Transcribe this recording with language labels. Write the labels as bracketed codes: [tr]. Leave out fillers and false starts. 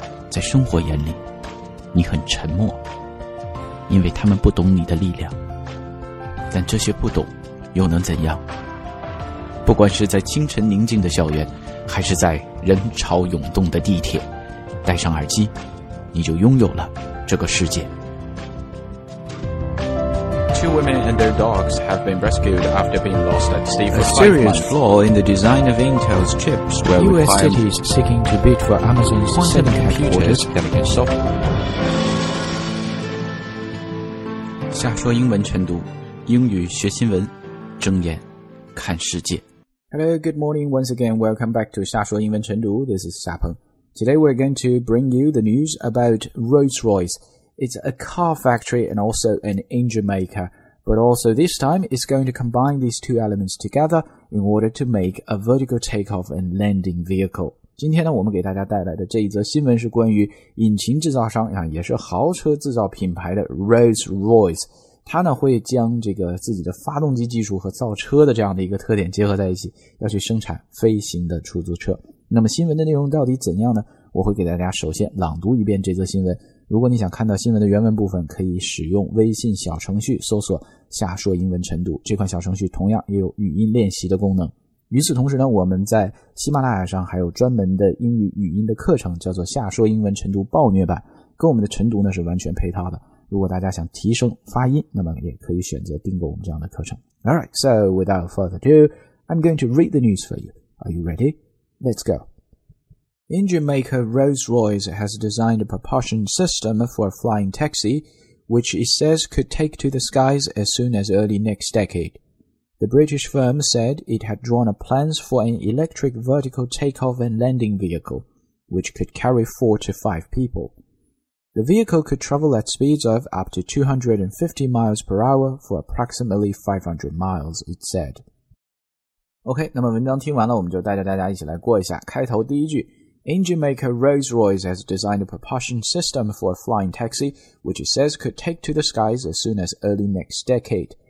[zh] 在生活眼里，你很沉默，因为他们不懂你的力量。但这些不懂又能怎样？不管是在清晨宁静的校园，还是在人潮涌动的地铁，戴上耳机，你就拥有了这个世界。 [en] Two women and their dogs have been rescued after being lost at sea for 5 months. A serious flaw in the design of Intel's chips where U.S. requirements. Cities seeking to bid for Amazon's quantum computers. [zh] 瞎说英文晨读，英语学新闻，睁眼看世界。 [en] Hello, good morning. Once again, welcome back to 瞎说英文晨读.This is 夏鹏. Today we're going to bring you the news about Rolls-Royce. It's a car factory and also an engine maker, but also this time it's going to combine these two elements together in order to make a vertical takeoff and landing vehicle. [zh] 今天呢，我们给大家带来的这一则新闻是关于引擎制造商，也是豪车制造品牌的 Rolls-Royce。它呢会将这个自己的发动机技术和造车的这样的一个特点结合在一起，要去生产飞行的出租车。那么新闻的内容到底怎样呢？我会给大家首先朗读一遍这则新闻。如果你想看到新闻的原文部分，可以使用微信小程序搜索瞎说英文晨读，这款小程序同样也有语音练习的功能。与此同时呢，我们在喜马拉雅上还有专门的英语语音的课程，叫做瞎说英文晨读暴虐版，跟我们的晨读呢是完全配套的。如果大家想提升发音，那么也可以选择订购我们这样的课程。 [en] Alright, so without further ado, I'm going to read the news for you. Are you ready? Let's goEngine maker Rolls-Royce has designed a propulsion system for a flying taxi, which it says could take to the skies as soon as early next decade. The British firm said it had drawn up plans for an electric vertical takeoff and landing vehicle, which could carry 4 to 5 people. The vehicle could travel at speeds of up to 250 miles per hour for approximately 500 miles, it said. [zh] OK, 那么文章听完了，我们就带着大家一起来过一下开头第一句。 [en] Engine maker Rolls-Royce has designed a propulsion system for a flying taxi, which it says could take to the skies as soon as early next decade.